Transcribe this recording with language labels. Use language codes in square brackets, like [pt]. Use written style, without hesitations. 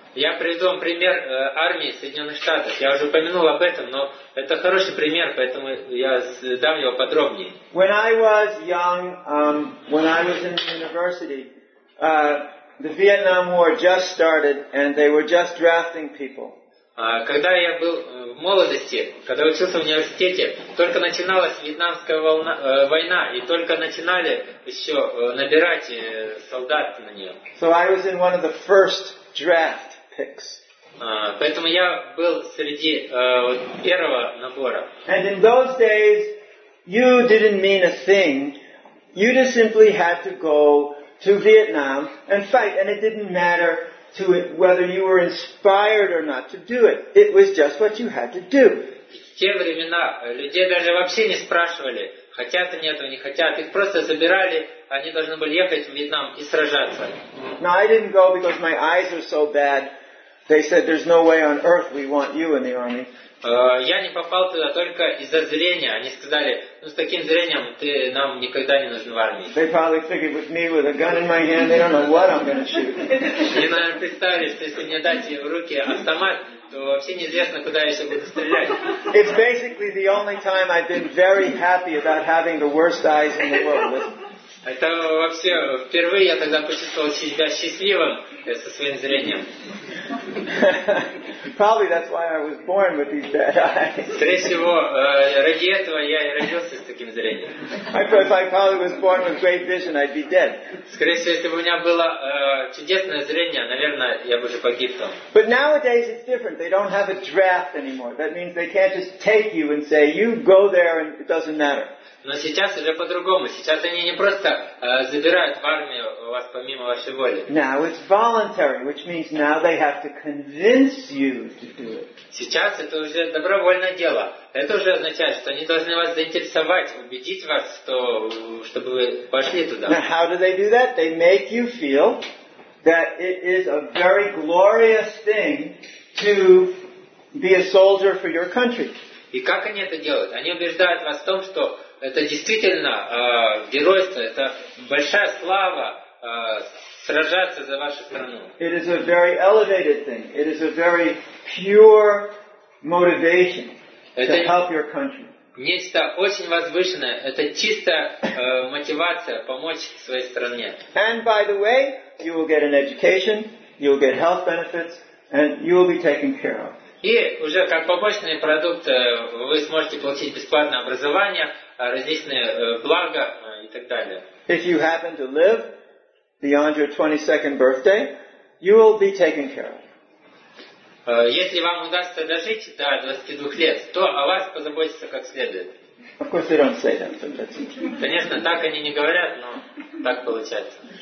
[ru] Я приведу вам пример армии Соединенных Штатов. Я уже упомянул об этом, но это хороший пример, поэтому я дам его подробнее. [en] When I was young, when I was in the university, the Vietnam War just started, and they were just drafting people. [ru] Когда я был в молодости, когда учился в университете, только начиналась вьетнамская война, и только начинали еще набирать солдат на нее. [en] So I was in one of the first draft picks. [ru] Поэтому я был среди первого набора. [en] And in those days, you didn't mean a thing. You just simply had to go to Vietnam and fight, and it didn't matter to it whether you were inspired or not to do it. It was just what you had to do. [ru] В те времена людей даже вообще не спрашивали, Хотят они этого, не хотят. Их просто забирали, они должны были ехать в Вьетнам и сражаться. [en] Now, I didn't go because my eyes were so bad. They said, there's no way on earth we want you in the army. [ru] Я не попал туда только из-за зрения. Они сказали, ну с таким зрением ты нам никогда не нужен в армии. [en] They probably figured with me with a gun in my hand, they don't know what I'm going to shoot. [ru] Они, наверное, представили, что если мне дать в руки автомат, то вообще неизвестно, куда я сейчас буду стрелять. [en] It's basically the only time I've been very happy about having the worst eyes in the world. [ru] Это вообще впервые я тогда почувствовал себя счастливым со своим зрением. [en] Probably that's why I was born with these bad eyes. [ru] Скорее всего, ради этого я и родился с таким зрением. [en] I thought if I probably was born with great vision, I'd be dead. [ru] Скорее всего, если бы у меня было чудесное зрение, наверное, я бы уже погиб там. [en] But nowadays it's different. They don't have a draft anymore. That means they can't just take you and say, you go there and it doesn't matter. [ru] Но сейчас уже по-другому. Сейчас они не просто забирают в армию вас помимо вашей воли. [en] Now it's voluntary, which means now they have to convince you to do it. [ru] Сейчас это уже добровольное дело. Это уже означает, что они должны вас заинтересовать, убедить вас, чтобы вы пошли туда. [en] Now how do they do that? They make you feel that it is a very glorious thing to be a soldier for your country. [ru] И как они это делают? Они убеждают вас в том, что это действительно геройство, это большая слава сражаться за вашу страну. [en] It is a very elevated thing. It is a very pure motivation to help your country. [ru] Нечто очень возвышенное. Это чистая мотивация помочь своей стране. [en] And by the way, you will get an education, you will get health benefits, and you will be taken care of. [ru] И уже как побочный продукт вы сможете получить бесплатное образование, различные блага и так далее. [en] If you happen to live beyond your 22nd birthday, you will be taken care of. [ru] Если вам удастся дожить до 22 лет, то о вас позаботятся как следует. [en] Of course they don't say that, but that's it. [ru] Конечно, так они не говорят, но так получается.